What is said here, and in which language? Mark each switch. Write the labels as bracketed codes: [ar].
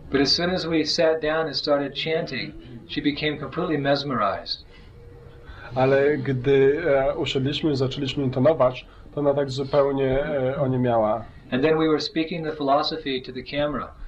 [en] But as soon as we sat down and started chanting, she became completely mesmerized. [pl] Ale gdy usiedliśmy i zaczęliśmy intonować, to ona tak zupełnie oniemiała. [en] And then we were speaking the philosophy to the camera.